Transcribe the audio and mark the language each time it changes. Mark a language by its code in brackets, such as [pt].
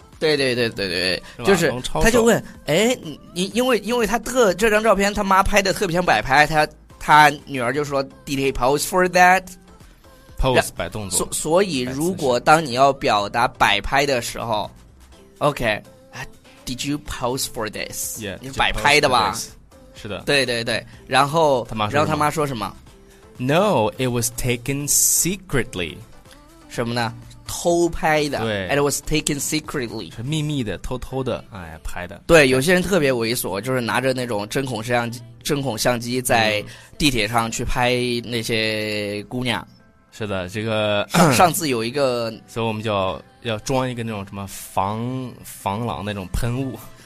[zh] 对对对对对，就是他就问，哎，你因为他特这张照片他妈拍的特别像摆拍，他女儿就说 [en] Did he pose for that？ [zh] Pose 摆动作。所以如果当你要表达摆拍的时候 ，OK， [en] Did you pose for this？ Yeah， [zh] 你摆拍的吧？是的。对对对，然后他妈说什么 [en] ？No， it was taken secretly。 [zh] 什么呢？偷拍的，对 [en] ，it was taken secretly， [zh] 是秘密的，偷偷的，哎，拍的。对，有些人特别猥琐，就是拿着那种针孔相机在地铁上去拍那些姑娘。是的，这个上次有一个，所以我们就要装一个那种什么防狼那种喷雾。